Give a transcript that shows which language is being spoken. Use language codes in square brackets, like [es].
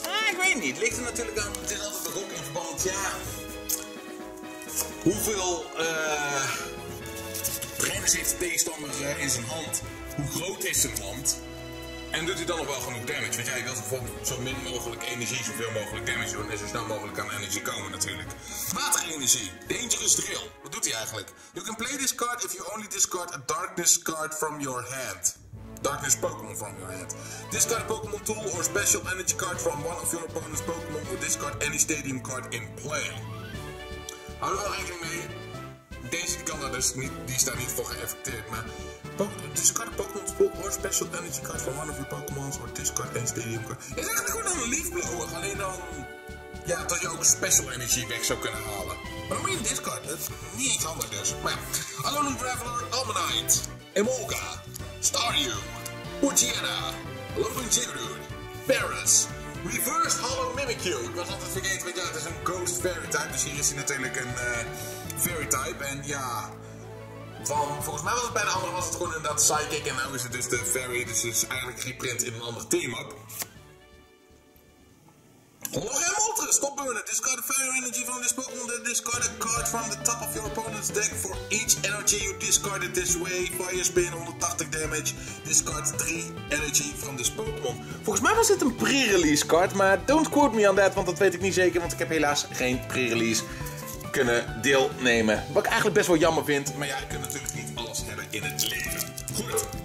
[nl] Ik weet niet, het ligt er natuurlijk aan, het is altijd een rok in verband, ja. Hoeveel trainers heeft de tegenstander in zijn hand? Hoe groot is zijn hand? En doet hij dan nog wel genoeg damage? Want jij wil zo min mogelijk energie, zoveel mogelijk damage doen en zo snel mogelijk aan energie komen natuurlijk. Waterenergie, Dangerous Drill. Wat doet hij eigenlijk? [en] You can play this card if you only discard a darkness card from your hand. Darkness Pokémon from your hand. Discard a Pokémon tool or special energy card from one of your opponent's Pokémon or discard any stadium card in play. [nl] Hou er wel rekening mee. Deze kan er dus niet, die staat niet voor geëffecteerd, maar... [en] Discard a Pokémon tool or special energy card from one of your Pokémon or discard any stadium card. [nl] Het is eigenlijk gewoon een leafblower, alleen dan... Ja, dat je ook special energy weg zou kunnen halen. Maar dan moet je een discard, dat is niet iets handig dus. Maar ja, Alolan Graveler, Almanite, Emolga, Staryu, Poochyena, Alolan Jigglypuff, Paras, Reverse Holo Mimikyu. Ik was altijd vergeten, want ja, het is een Ghost Fairy type, dus hier is hij natuurlijk een Fairy type. En ja, van, volgens mij was het bij de andere was het gewoon inderdaad Psychic en nu is het dus de Fairy, dus het is eigenlijk geprint in een ander team-up. Hologram Ultra, stop burnen. [en] Discard a fire energy from this Pokémon, then discard a card from the top of your opponent's deck. For each energy you discarded this way, fire spin 180 damage. Discard 3 energy from this Pokémon. [nl] Volgens mij was dit een pre-release card, maar [en] don't quote me on that, [nl] want dat weet ik niet zeker, want ik heb helaas geen pre-release kunnen deelnemen. Wat ik eigenlijk best wel jammer vind, maar ja, je kunt natuurlijk niet alles hebben in het leven. Goed.